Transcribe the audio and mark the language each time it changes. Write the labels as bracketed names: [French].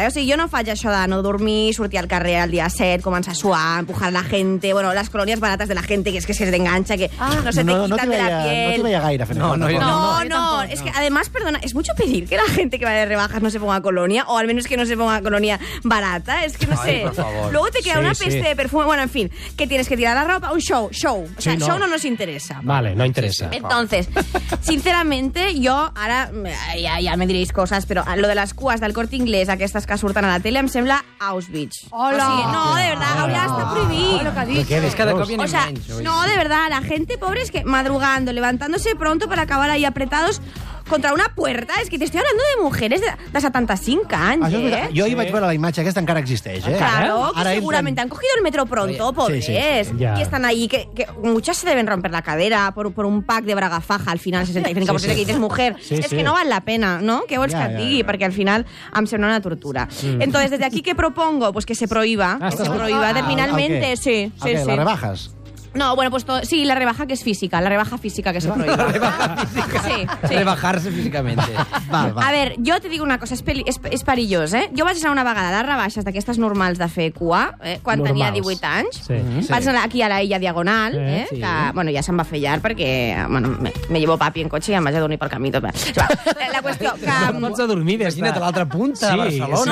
[Catalan] Eh? O sigui, jo no faig això de no dormir, sortir al carrer el dia 7, començar a suar, [Spanish] empujar la gente, [Catalan] bueno, les colònies barates de la gente, que és que se t'enganxa, [Spanish] que no se te quita de la piel. [Catalan] No t'ho veia gaire. [Spanish] No. És que, además, perdona, és mucho pedir que la gente que va de rebajas no se ponga colònia, [Catalan] o almenys [Spanish] que no se ponga colònia barata, és que no sé. Luego te queda una peste de perfume, bueno, en fin, que tienes que tirar la ropa, un show. O sea, show no nos interessa. Vale, no interessa. Entonces, sinceramente, [Catalan] jo ara, ja me diréis coses, però lo de les cues del Corte Inglés, aquestes que surten a la tele, em sembla Auschwitz. Hola! O sigui, no, [Spanish] de verdad, [Catalan] Gaudí, està prohibit. No, [Spanish] de verdad, la gente pobre es que madrugando, levantándose pronto para acabar ahí apretados contra una puerta. [Catalan] És que t'estic parlant de [Spanish] mujeres [Catalan] de 75 anys, eh? Jo ahir vaig veure la imatge, aquesta encara existeix, eh? [Spanish] Claro, [Catalan] ara que segurament [Spanish] han cogido el metro pronto, pobres. Sí. I estan ahí, que muchas se deben romper la cadera por un pack de braga faja al final, 65%, que dices mujer. Sí. [Catalan] Que no val la pena, no? Què vols que et digui? Perquè al final em sembla una tortura. [Spanish] Entonces, desde aquí, ¿qué propongo? Pues que se prohíba. Que se prohíba terminalmente, sí. Las rebajas. No, bueno, pues todo, sí, la rebaja que es física, la rebaja física que se prohíbe. La rebaja física. Sí. Rebajarse físicamente. [Catalan] Va. [Spanish] A ver, yo te digo una cosa, [Catalan] es perillós, [Spanish] ¿eh? [Catalan] Yo vaig anar una vegada a les rebaixes d'aquestes normals de fer cua, quan tenia 18 anys. Sí. Vaig anar aquí a la Illa Diagonal, sí. Que, bueno, ja se'm va fer llar perquè, bueno, [Spanish] me llevo papi [Catalan] en cotxe i em vaig adonir pel camí. Va, la qüestió que... No pots adormir, imagina't a l'altra punta, sí, a Barcelona.